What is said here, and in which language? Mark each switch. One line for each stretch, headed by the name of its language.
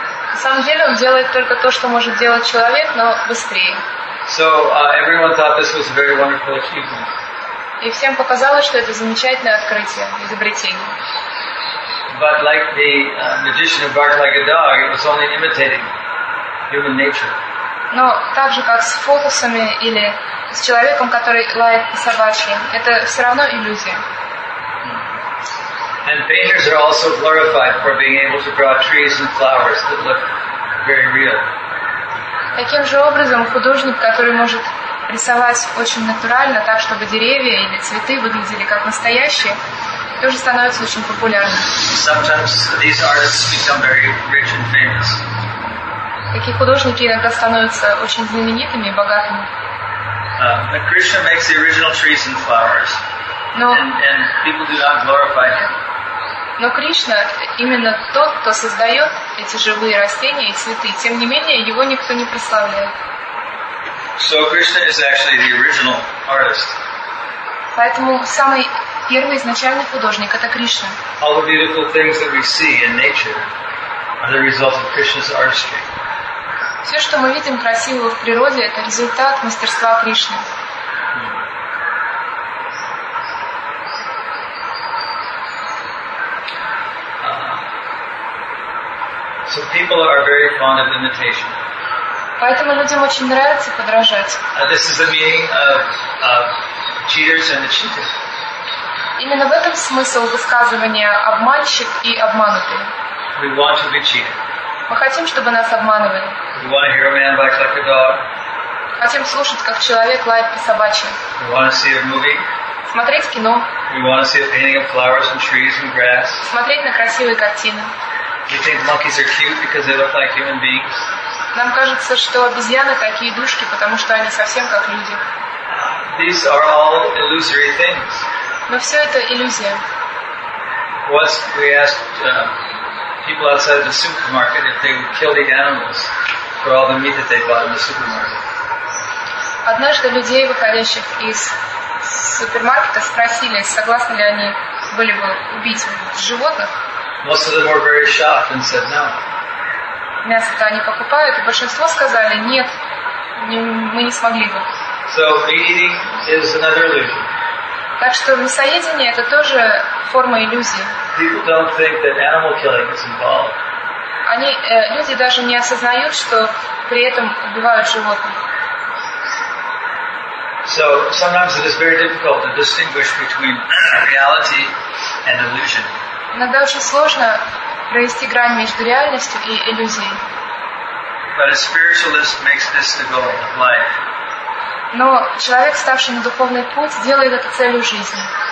Russian: На самом деле он делает только то, что может делать человек, но быстрее.
English: So everyone thought this was a very wonderful achievement.
Russian: И всем показалось, что это замечательное открытие, изобретение.
English: But like the magician who barked like a dog, it was only imitating human nature.
Russian: Но так же, как с фокусами или с человеком, который лает по-собачьи, это все равно иллюзия.
English: And painters are also glorified for being able to draw trees and flowers that look very real.
Russian: Таким же образом художник, который может рисовать очень натурально, так чтобы деревья или цветы выглядели как настоящие, тоже становится очень популярным.
English: Sometimes these artists become very rich and famous.
Russian: Такие художники иногда становятся очень знаменитыми и богатыми.
English: Krishna makes the original trees and flowers. And people do not glorify him.
Russian: Но Кришна именно тот, кто создает эти живые растения и цветы. Тем не менее, его никто не прославляет.
English: So Krishna is actually the original artist.
Russian: Поэтому самый первый изначальный художник — это Кришна.
English: All the beautiful things that we see in nature are the result of Krishna's artistry.
Russian: Все, что мы видим красивого в природе, это результат мастерства Кришны.
English: So people are very fond of imitation.
Russian: Поэтому людям очень нравится подражать.
English: This is the meaning of cheaters and the cheated.
Russian: Именно в этом смысл высказывания обманщик и обманутый.
English: We want to be cheated.
Russian: Мы хотим, чтобы нас обманывали.
English: We want to hear a man bite like a dog.
Russian: Хотим слушать, как человек лает по собачьи.
English: We want to see a movie.
Russian: Смотреть кино.
English: We want to see a painting of flowers and trees and grass.
Russian: Смотреть на красивые картины.
English: We think monkeys are cute because they look like human beings.
Russian: Нам кажется, что обезьяны такие душки, потому что они совсем как люди.
English: These are all illusory things.
Russian: Но все это иллюзия.
English: We asked people outside the supermarket if they would kill the animals for all the meat that they bought in the supermarket.
Russian: Однажды людей, выходящих из супермаркета, спросили, согласны ли они были бы убить животных.
English: Most of them were very shocked and said no.
Russian: Мясо-то они покупают, и большинство сказали, нет, мы не смогли бы.
English: So, eating is another illusion.
Russian: Так что мясоедение — это тоже форма иллюзии.
English: People don't think that animal killing is involved.
Russian: Люди даже не осознают, что при этом убивают животных.
English: So, sometimes it is very difficult to distinguish between reality and illusion.
Russian: Иногда очень сложно провести грань между реальностью и иллюзией.
English: But a spiritualist makes this the goal of life.
Russian: Но человек, ставший на духовный путь, делает это целью жизни.